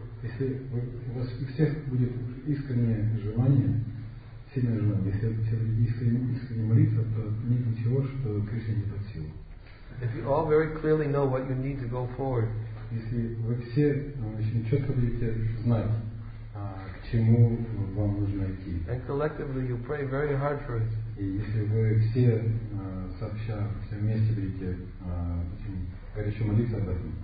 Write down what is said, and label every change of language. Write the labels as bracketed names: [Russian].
[Russian] Если у вас у всех будет искреннее желание, сильное желание, если все будут искренне молиться, то нет ничего, что Кришне не под силу. [English] If you all very clearly know what you need to go forward, [Russian] если вы все очень четко будете знать, к чему вам нужно идти, [English] and collectively you pray very hard for it, [Russian] и если вы все сообща, все вместе будете горячо молиться об этом,